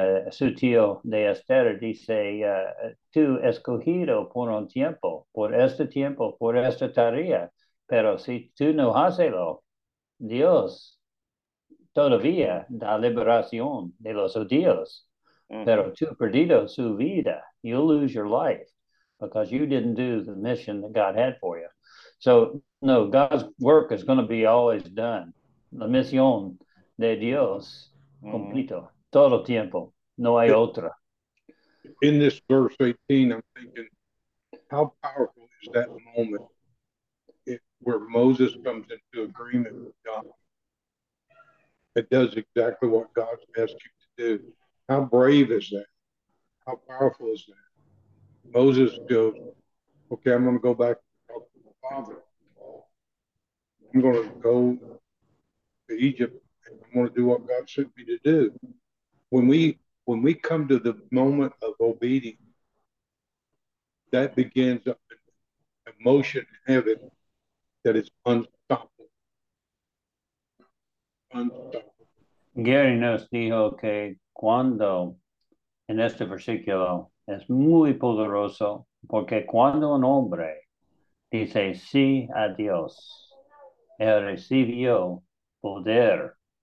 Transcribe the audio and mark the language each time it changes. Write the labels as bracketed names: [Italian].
[Spanish] Su tío de Esther dice, tú escogido por un tiempo, por esta tarea. Pero si tú no hacelo, Dios todavía da liberación de los judíos. Mm-hmm. Pero tú perdido su vida, [English] you'll lose your life because you didn't do the mission that God had for you. So, no, God's work is going to be always done. [Spanish] La misión de Dios, completo, todo tiempo, no hay otra. [English] In this verse 18, I'm thinking, how powerful is that moment where Moses comes into agreement with God? It does exactly what God's asked you to do. How brave is that? How powerful is that? Moses goes, okay, I'm going to go back and talk to the Father. I'm going to go to Egypt and I'm going to do what God sent me to do. When we come to the moment of obedience, that begins an emotion in heaven that is unstoppable. [Spanish] Gary nos dijo que cuando, en este versículo, es muy poderoso, porque cuando un hombre dice sí a Dios, él recibió poder.